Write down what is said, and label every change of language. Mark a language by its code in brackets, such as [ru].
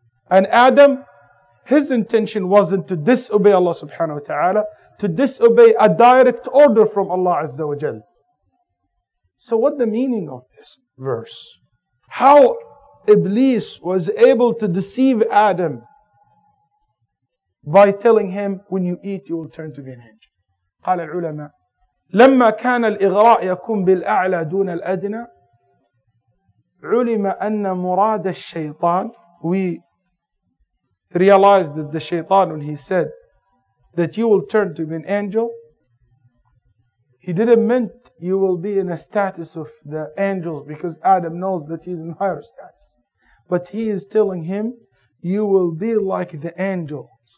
[en] And Adam, his intention wasn't to disobey Allah subhanahu wa ta'ala, to disobey a direct order from Allah azza wa jal. So what the meaning of this verse? How Iblis was able to deceive Adam by telling him, when you eat, you will turn to be an angel. [ar] قال العلماء لما كان الإغراء يكون بالأعلى دون الأدنى علم أن مراد الشيطان. [en] We realized that the shaitan, when he said that you will turn to be an angel, he didn't meant you will be in a status of the angels, because Adam knows that he's in higher status. But he is telling him, you will be like the angels.